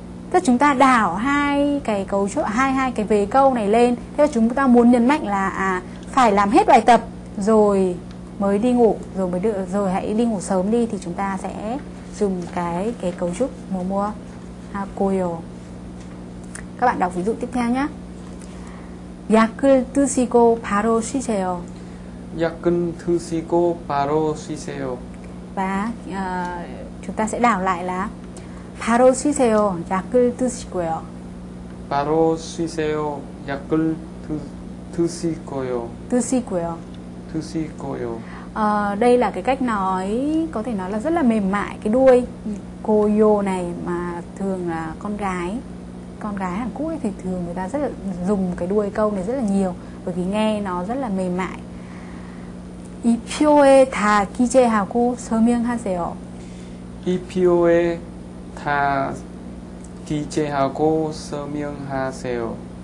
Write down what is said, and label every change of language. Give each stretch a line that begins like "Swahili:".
Vietnamese: Tức chúng ta đảo hai cái vế câu này lên. Thế là chúng ta muốn nhấn mạnh là phải làm hết bài tập rồi mới đi ngủ, rồi hãy đi ngủ sớm đi, thì chúng ta sẽ dùng cái cấu trúc mùa mua hakoyo. Các bạn đọc ví dụ tiếp theo nhé.
Korean: 약을 드시고 바로 쉬세요. 약을 드시고 바로 쉬세요.
Vietnamese: Và chúng ta sẽ đảo lại là
Korean: 바로 쉬세요. 약을 드시고요. 바로 쉬세요. 약을 드시고요. 드시고요. 드시고요.
Vietnamese: Đây là cái cách nói có thể nói là rất là mềm mại. Cái đuôi koyo này mà thường là con gái Hàn Quốc thì thường người ta rất là dùng cái đuôi câu này rất là nhiều, bởi vì nghe nó rất là mềm mại.
Korean: 이표에 다 기재하고 서명하세요. 이표에 다 기재하고 서명하세요.